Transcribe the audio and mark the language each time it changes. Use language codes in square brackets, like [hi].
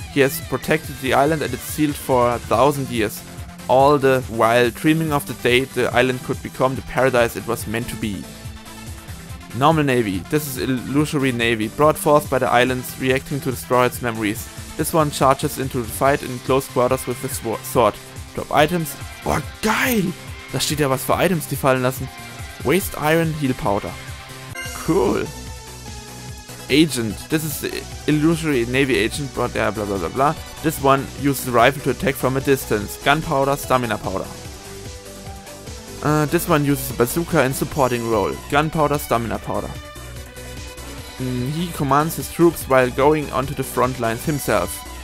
[en] He has protected the island and its seals for 1,000 years, all the while dreaming of the day the island could become the paradise it was meant to be. Normal Navy. This is Illusory Navy, brought forth by the islands reacting to the Straw Hats' memories. This one charges into the fight in close quarters with his sword. Drop items. [de] Boah, geil! Da steht ja was für Items, die fallen lassen. [en] Waste Iron, Heal Powder. Cool. Agent. This is the Illusory Navy Agent, brought there, blah, blah, blah, blah. This one uses a rifle to attack from a distance. Gunpowder, Stamina Powder. This one uses a bazooka in supporting role. Gunpowder, Stamina Powder. He commands his troops while going onto the front lines himself.